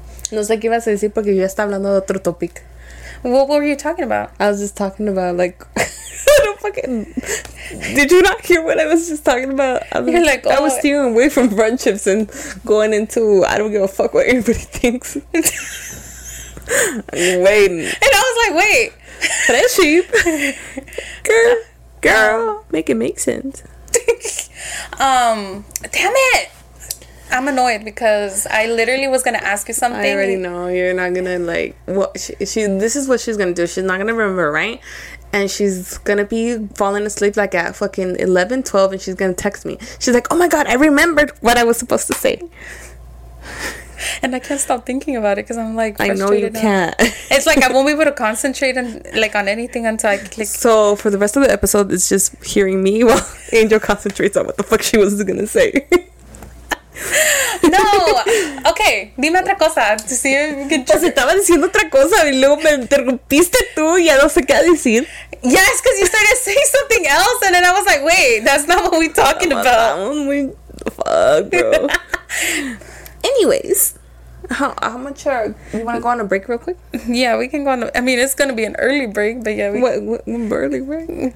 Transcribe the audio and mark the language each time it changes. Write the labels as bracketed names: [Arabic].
[Spanish] No sé qué ibas a decir porque yo ya estaba hablando de otro topic. [English] What were you talking about? I was just talking about, like... Did you not hear what I was just talking about? I was steering away from friendships and going into, I don't give a fuck what anybody thinks. And I was like, wait. Friendship. Girl. Make it make sense. Damn it. I'm annoyed because I literally was going to ask you something. I already know. You're not going to, like, this is what she's going to do. She's not going to remember, right? And she's going to be falling asleep, like, at fucking 11, 12, and she's going to text me. She's like, oh, my God, I remembered what I was supposed to say. And I can't stop thinking about it because I'm, like, frustrated. I know you can't. It's like I won't be able to concentrate on anything until I click. So, for the rest of the episode, it's just hearing me while Angel concentrates on what the fuck she was going to say. [Spanish] No, okay, dime otra cosa. [English] To see if you can [Spanish] pues estaba diciendo otra cosa y luego me interrumpiste tú y ya no sé qué decir. [English] Yes, because you started saying something else and then I was like, wait, that's not what we're talking about. Fuck, bro. Anyways, how much are you want to go on a break real quick? Yeah, we can go on. I mean, it's going to be an early break, but yeah. What early break?